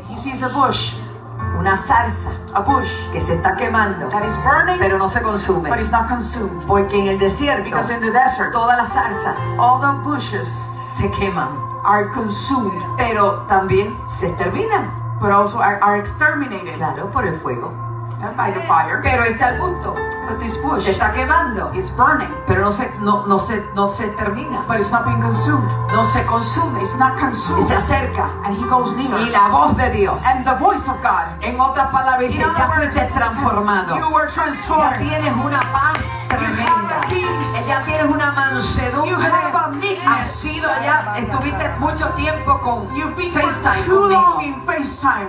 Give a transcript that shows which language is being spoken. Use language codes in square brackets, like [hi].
[en] He sees a bush. [es] Una zarza. [en] A bush. [es] Que se está quemando. [en] That is burning. [es] Pero no se consume. [en] But it's not consumed. [es] Porque en el desierto. [en] Because in the desert. [es] Todas las zarzas. [en] All the bushes. [es] Se queman. [en] Are consumed. [es] Pero también se terminan. [en] But also are exterminated. [es] Claro, por el fuego. [en] And by the fire. [es] Pero este arbusto. [en] But this bush. [es] Se está quemando. [en] It's burning. [es] Pero no se termina. [en] But it's not being consumed. [es] No se consume. [en] It's not consumed. [es] Y se acerca. [en] And he goes near. [es] Y la voz de Dios. [en] And the voice of God. [es] En otras palabras, ya fuiste transformado. [en] You were transformed. [es] Ya tienes una paz tremenda. Ya tienes una mansedumbre. [en] You have a meekness. [es] Has sido allá, estuviste mucho tiempo con FaceTime. [en] You've been too long in FaceTime.